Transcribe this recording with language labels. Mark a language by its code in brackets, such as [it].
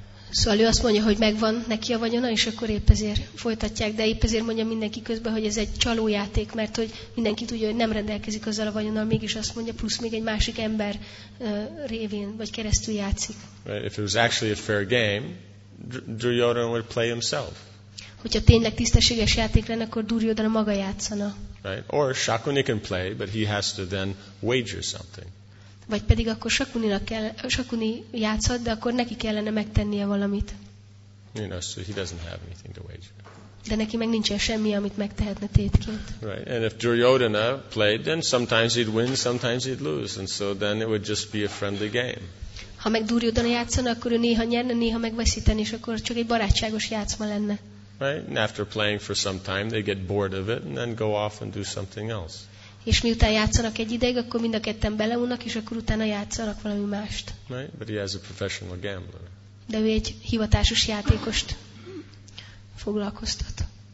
[hu] Szóval ő azt mondja, hogy megvan neki a vagyona, és akkor épp ezért folytatják, de épp ezért mondja mindenki közben, hogy ez egy csalójáték, mert hogy mindenki tudja, hogy nem rendelkezik azzal a vagyonnal, mégis azt mondja, plusz még egy másik ember révén, vagy keresztül játszik. [en] If it was actually a fair game, Duryodhana would play himself. [hu] Hogyha tényleg tisztességes játék lenne, akkor Duryodhana maga játszana. [en] Right. Or Shakuni can play, but he has to then wager something. [hu] Vagy pedig akkor Shakuni játszhat, de akkor neki kellene megtennie valamit. [en] You know, so he doesn't have anything to wager. [hu] De neki meg nincsen semmi, amit megtehetne tétként. [en] Right. And if Duryodhana played, then sometimes he'd win, sometimes he'd lose, and so then it would just be a friendly game. [hu] Ha meg Duryodhana játszana, akkor ő néha nyerne, néha megveszítene, és akkor csak egy barátságos játszma lenne. [en] Right. And after playing for some time, they get bored of it, and then go off and do something else. [hu] És miután játszanak egy ideig, akkor mind a ketten beleunnak, és akkor utána játszanak valami mást. [en] Right, but he has a professional gambler. [hu] De ő egy hivatásos játékost foglalkoztat.